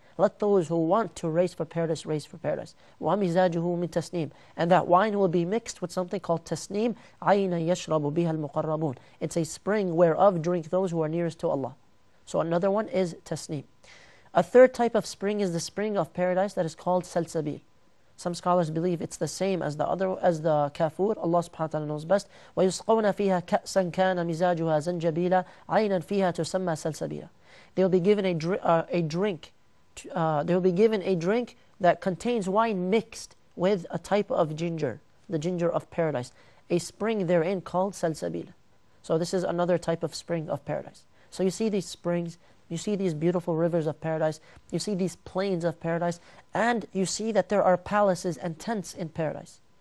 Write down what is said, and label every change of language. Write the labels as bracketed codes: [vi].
[en] Let those who want to race for paradise, race for paradise. [ar] وَمِزَاجُهُ مِنْ تَسْنِيمٍ [en] And that wine will be mixed with something called tasneem. [ar] عَيْنًا يَشْرَبُ بِهَا الْمُقَرَّبُونَ [en] It's a spring whereof drink those who are nearest to Allah. So another one is tasneem. A third type of spring is the spring of paradise that is called Salsabil. Some scholars believe it's the same as the other, as the Kafur. Allah subhanahu wa ta'ala knows best. [ar] وَيُسْقَوْنَ فِيهَا كَأْسًا كَانَ مِزَاجُهَا زَنْجَبِيلًا عَيْنًا فِيهَا تُسَمَّى سَلْسَبِيلًا [en] They will be given a drink. They will be given a drink that contains wine mixed with a type of ginger, the ginger of paradise. A spring therein called Salsabil. So this is another type of spring of paradise. So you see these springs. You see these beautiful rivers of paradise. You see these plains of paradise. And you see that there are palaces and tents in paradise.